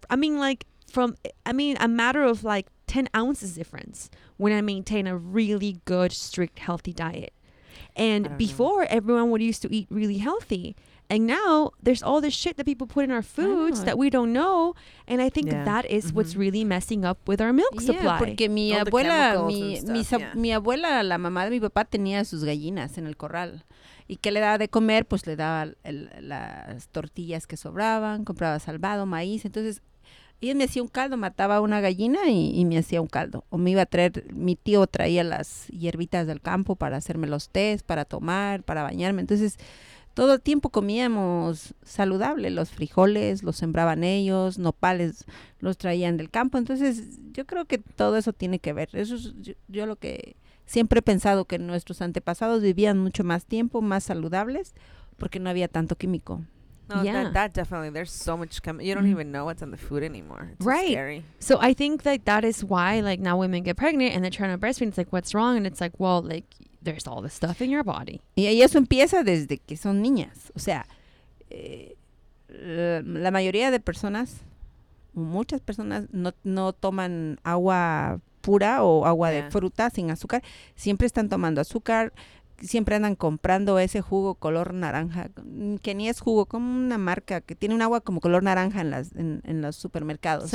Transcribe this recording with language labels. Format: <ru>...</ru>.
<en>I mean, like, from, I mean, a matter of like 10 ounces difference when I maintain a really good, strict, healthy diet. And before, everyone would used to eat really healthy. And now there's all this shit that people put in our foods that we don't know. And I think that is mm-hmm. what's really messing up with our milk supply.</en> <es>Yeah, porque mi abuela, mi abuela, la mamá de mi papá, tenía sus gallinas en el corral. ¿Y qué le daba de comer? Pues le daba las tortillas que sobraban, compraba salvado, maíz. Entonces, ella me hacía un caldo, mataba a una gallina y me hacía un caldo. O me iba a traer, mi tío traía las hierbitas del campo para hacerme los tés, para tomar, para bañarme. Entonces, todo el tiempo comíamos saludable, los frijoles, los sembraban ellos, nopales los traían del campo. Entonces, yo creo que todo eso tiene que ver. Eso es yo lo que siempre he pensado, que nuestros antepasados vivían mucho más tiempo, más saludables, porque no había tanto químico.</es> <en>No, yeah. that definitely, there's so much chemical. You don't mm-hmm. even know what's in the food anymore. It's right. scary. So I think that is why, like, now women get pregnant and they're trying to breastfeed. It's like, what's wrong? And it's like, well, like, there's all this stuff in your body.</en> <es>Y eso empieza desde que son niñas. O sea, la mayoría de personas, muchas personas, no toman agua pura o agua de fruta sin azúcar. Siempre están tomando azúcar. Siempre andan comprando ese jugo color naranja, que ni es jugo, como una marca que tiene un agua como color naranja en los supermercados.</es>